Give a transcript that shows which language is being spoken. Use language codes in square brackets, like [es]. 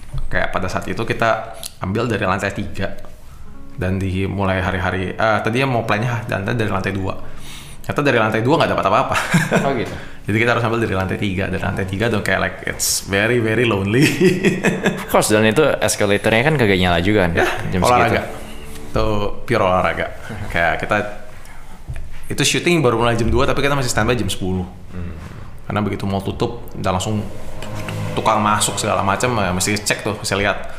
[id] Kayak pada saat itu kita ambil dari lantai 3 dan dimulai hari-hari tadinya mau plannya dari lantai 2, ternyata dari lantai 2 nggak dapat apa-apa. Oh gitu. Jadi kita harus ambil dari lantai 3. Dari lantai 3 dong, kayak [en] like it's very very lonely. [id] Of course, dan itu escalator-nya kan kagak nyala juga kan. Yeah, jam olahraga. Itu pure olahraga. Kayak kita itu shooting baru mulai jam 2 tapi kita masih standby jam 10. Karena begitu mau tutup udah langsung tukang masuk segala macam, mesti cek tuh, mesti lihat.